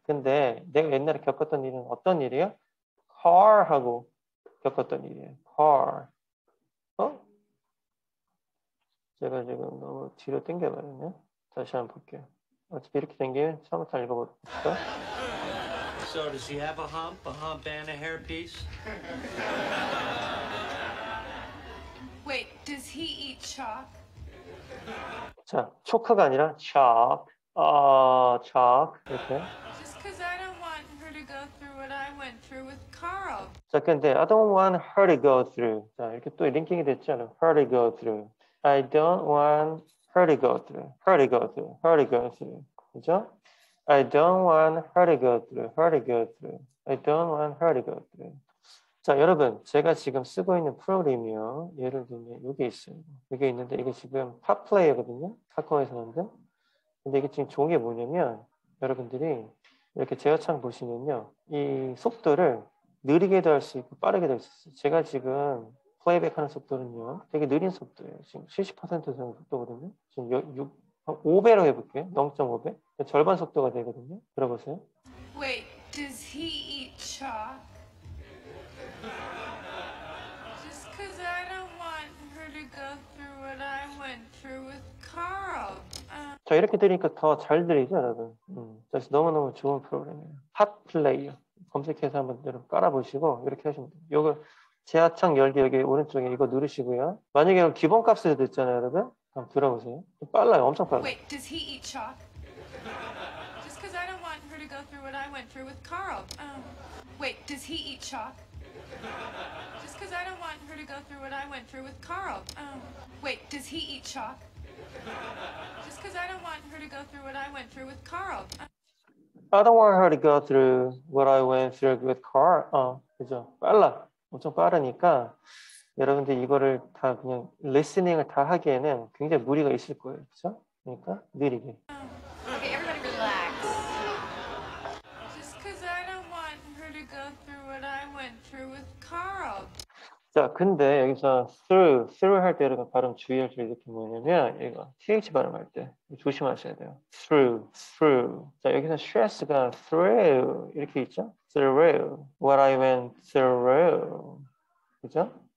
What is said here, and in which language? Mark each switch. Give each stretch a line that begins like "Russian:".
Korean: 근데 내가 옛날에 겪었던 일은 어떤 일이야? car 하고 겪었던 일이야. car. 어? 제가 지금 너무 뒤로 당겨버렸네. 다시 한번 볼게요. 어차피 이렇게 당기면 처음부터 읽어볼까?
English: So does he have a hump and a hairpiece? Wait, does he eat chalk?
Korean: 자, 초크가 아니라 chalk. chalk 이렇게.
English: Just because I don't want her to go through what I went through with Carl.
Korean: 자, 근데
English: I don't want her to go through.
Korean: 자, 이렇게 또 링킹이 됐잖아.
English: Her to go through. I don't want her to go through. Her to go through. Her to go through.
Korean: 그죠?
English: I don't want her to go through. Her to go through. I don't want her to go through.
Korean: 자, 여러분, 제가 지금 쓰고 있는 프로그램이요. 예를 들면 이게 있어요. 이게 있는데 이게 지금 팟플레이어거든요. 카카오에서는요. 근데 이게 지금 좋은 게 뭐냐면 여러분들이 이렇게 제어창 보시면요. 이 속도를 느리게도 할 수 있고 빠르게도 할 수 있어요. 제가 지금 플레이백 하는 속도는요. 되게 느린 속도예요. 지금 70% 정도 속도거든요. 지금 5배로 해볼게요. 0.5배. 절반 속도가 되거든요. 들어보세요.
English: Wait, does he eat chalk? Just because I don't want her to go through what I went through with Carl.
Korean: 자, 이렇게 들으니까 더 잘 들리죠, 여러분. 그래서 너무너무 좋은 프로그램이에요. 핫플레이어. 검색해서 한번 여러분 깔아보시고 이렇게 하시면 돼요. 이걸 제어창 열기 여기 오른쪽에 이거 누르시고요. 만약에 기본 값에서 됐잖아요, 여러분. 한번 들어보세요. 빨라요, 엄청 빨라요.
English: Wait, does he eat chalk? Just because I don't want her to go through what I went through with Carl. Wait, does he eat chalk? Just because I don't want her to go through what I went through with Carl. Wait, does he eat chalk? Just because I don't want her to go through what I went through with Carl. I don't want her to go through what I went through with Carl.
Korean: 그죠? 빨라. 엄청 빠르니까 여러분들 이거를 다 그냥 리스닝을 다 하기에는 굉장히 무리가 있을 거예요. 그렇죠? 그러니까 느리게.
English: Okay, everybody relax. Just because I don't want her to go through what I went through with Carl.
Korean: 자, 근데 여기서 through 할 때 여러분 발음 주의할 점이 이렇게 뭐냐면 이거 TH 발음할 때 조심하셔야 돼요. through 자, 여기서 stress가 through 이렇게 있죠?
English: through what I went through
Korean: 그죠?